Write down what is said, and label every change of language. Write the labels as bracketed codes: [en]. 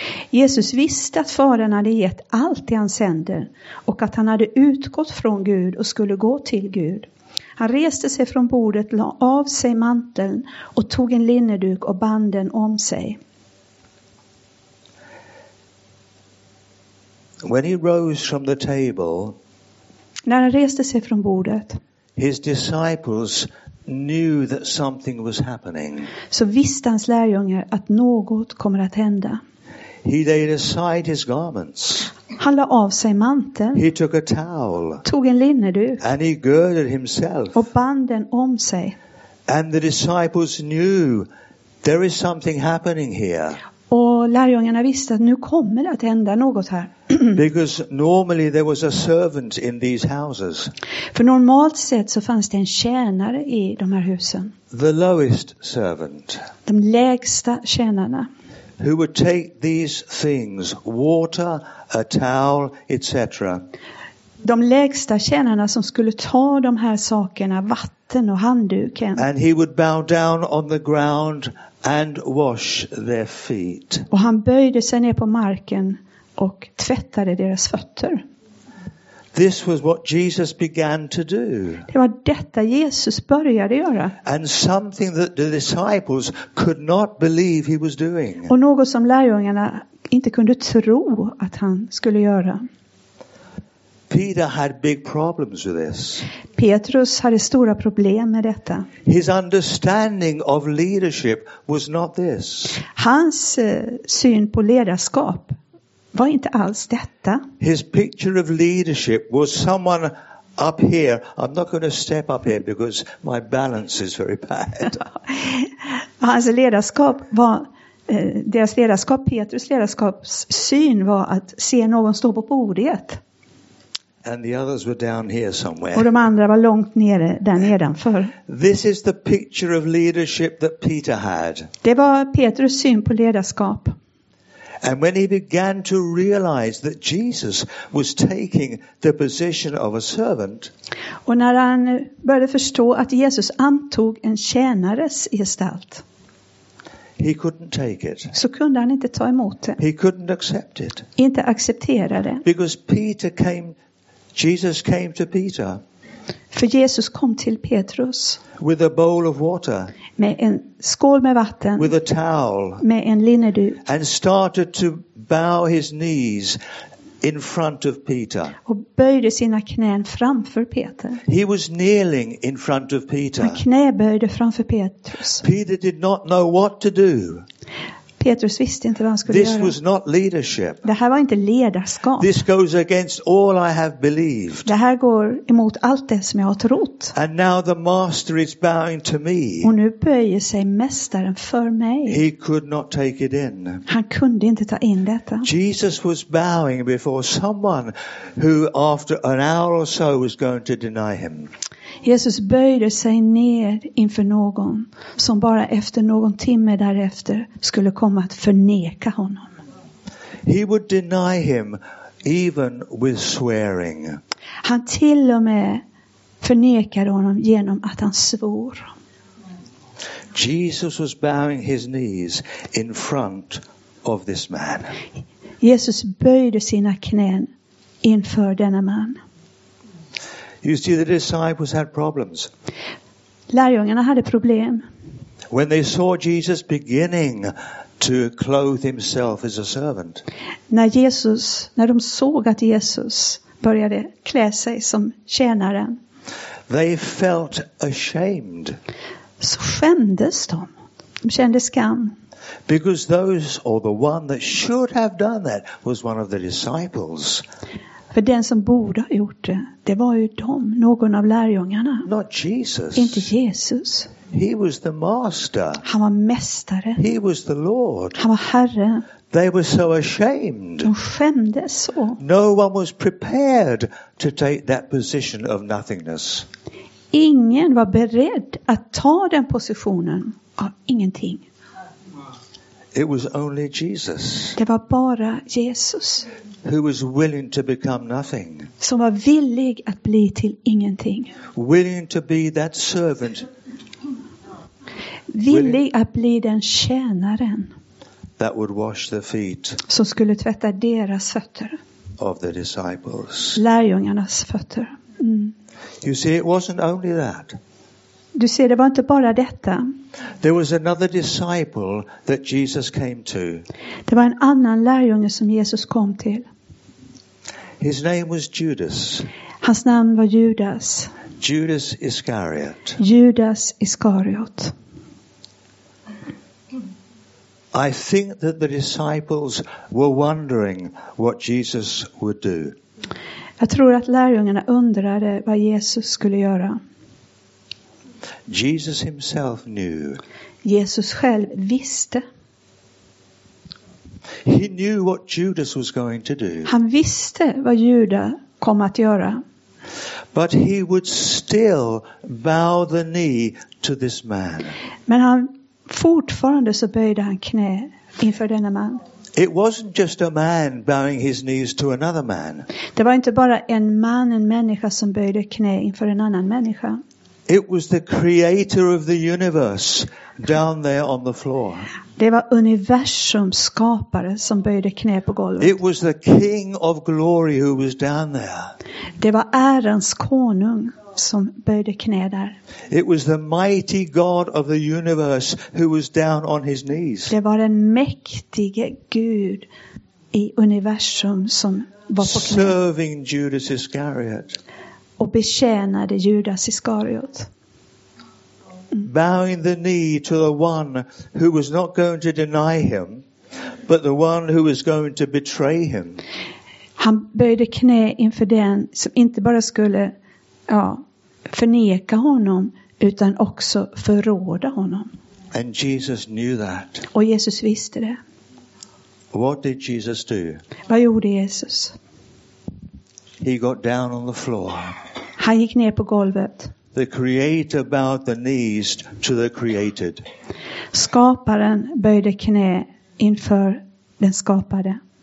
[sv] Jesus visste att Fadern hade gett allt i hans händer och att han hade utgått från Gud och skulle gå till Gud. Han reste sig från bordet, la av sig manteln och tog en linneduk och band den om sig. [en] When he rose from the table, [sv] när han reste sig från bordet, [en] his disciples knew that something was happening. [sv] Så visste hans lärjungar att något kommer att hända. [en] He laid aside his garments. [sv] Han la av sig manteln. [en] He took a towel. [sv] Tog en linneduk. [en] And he girded himself. [sv] Och band den om sig. [en] And the disciples knew there is something happening here. [sv] Och lärjungarna visste att nu kommer det att hända något här. [en] Because normally there was a servant in these houses. [sv] För normalt sett så fanns det en tjänare i de här husen. [en] The lowest servant. [sv] De lägsta tjänarna. [en] Who would take these things, water, a towel, etc. [sv] De lägsta tjänarna som skulle ta de här sakerna, vatten och handduken. [en] And he would bow down on the ground and wash their feet. [sv] Och han böjde sig ner på marken och tvättade deras fötter. [en] This was what Jesus began to do. [sv] Det var detta Jesus började göra. [en] And something that the disciples could not believe he was doing. [sv] Och något som lärjungarna inte kunde tro att han skulle göra. [en] Peter had big problems with this. [sv] Petrus hade stora problem med detta. [en] His understanding of leadership was not this. [sv] Hans syn på ledarskap var inte alls detta. [en] His picture of leadership was someone up here. I'm not going to step up here because my balance is very bad. [sv] Hans ledarskap var deras ledarskap, Petrus ledarskaps syn var att se någon stå på bordet. [en] And the others were down here somewhere. [sv] Och de andra var långt nere där nedanför. [en] This is the picture of leadership that Peter had. [sv] Det var Petrus syn på ledarskap. [en] And when he began to realize that Jesus was taking the position of a servant, [sv] och när han började förstå att Jesus antog en tjänares gestalt, [en] he couldn't take it. [sv] Så kunde han inte ta emot det. [en] He couldn't accept it. [sv] Inte acceptera det. [en] Because Peter came, Jesus came to Peter. [sv] För Jesus kom till Petrus. [en] With a bowl of water. [sv] Med en skål med vatten. [en] With a towel. [sv] Med en linneduk. [en] And started to bow his knees in front of Peter. [sv] Och böjde sina knän framför Peter. [en] He was kneeling in front of Peter. [sv] Han knäböjde framför Petrus. [en] Peter did not know what to do. [sv] Petrus visste inte vad han skulle [en] This [sv] göra. [en] Was not leadership. [sv] Det här var inte ledarskap. [en] This goes against all I have believed. [sv] Det här går emot allt det som jag har trott. [en] And now the master is bowing to me. [sv] Och nu böjer sig mästaren för mig. [en] He could not take it in. [sv] Han kunde inte ta in detta. [en] Jesus was bowing before someone who after an hour or so was going to deny him. [sv] Jesus böjde sig ner inför någon som bara efter någon timme därefter skulle komma att förneka honom. [en] He would deny him even with swearing. [sv] Han till och med förnekade honom genom att han svor. [en] Jesus was bowing his knees in front of this man. [sv] Jesus böjde sina knän inför denna man. [en] You see, the disciples had problems. [sv] Lärjungarna hade problem. [en] When they saw Jesus beginning to clothe himself as a servant. [sv] När de såg att Jesus började klä sig som tjänaren. [en] They felt ashamed. [sv] Så skämdes de. De kände skam. [en] Because those or the one that should have done that was one of the disciples. [sv] För den som borde ha gjort det, det var ju dem, någon av lärjungarna. [en] Not Jesus. [sv] Inte Jesus. [en] He was the master. [sv] Han var mästare. [en] He was the Lord. [sv] Han var herre. [en] They were so ashamed. [sv] De skämdes så. [en] No one was prepared to take that position of nothingness. [sv] Ingen var beredd att ta den positionen av ingenting. [en] It was only Jesus. [sv] Det var bara Jesus. [en] Who was willing to become nothing. [sv] Som var villig att bli till ingenting. [en] Willing to be that servant. [sv] Villig att bli den tjänaren. [en] That would wash the feet. [sv] Som skulle tvätta deras fötter. [en] Of the disciples. [sv] Lärjungarnas fötter. [en] You see, it wasn't only that. [sv] Du ser, det var inte bara detta. [en] There was another disciple that Jesus came to. [sv] Det var en annan lärjunge som Jesus kom till. [en] His name was Judas. [sv] Hans namn var Judas. [en] Judas Iscariot. [sv] Judas Iscariot. [en] I think that the disciples were wondering what Jesus would do. [sv] Jag tror att lärjungarna undrade vad Jesus skulle göra. [en] Jesus himself knew. [sv] Jesus själv visste. [en] He knew what Judas was going to do. [sv] Han visste vad Judas kom att göra. [en] But he would still bow the knee to this man. [sv] Men han fortfarande så böjde han knä inför denna man. [en] It wasn't just a man bowing his knees to another man. [sv] Det var inte bara en man, en människa som böjde knä inför en annan människa. [en] It was the creator of the universe down there on the floor. [sv] Det var universums skapare som böjde knä på golvet. [en] It was the king of glory who was down there. [sv] Det var ärans konung som böjde knä där. [en] It was the mighty God of the universe who was down on his knees. [sv] Det var den mäktige Gud i universum som var på knä. [en] Serving Judas Iscariot. [sv] Och betjänade Judas Iskariot. [en] Bowing the knee to the one who was not going to deny him, but the one who was going to betray him. [sv] Han böjde knä inför den som inte bara skulle förneka honom utan också förråda honom. [en] And Jesus knew that. [sv] Och Jesus visste det. [en] What did Jesus do? [sv] Vad gjorde Jesus? [en] He got down on the floor. [sv] Han gick ner på golvet. [en] The creator bowed the knees to the created. [sv] Skaparen böjde knä inför den skapade.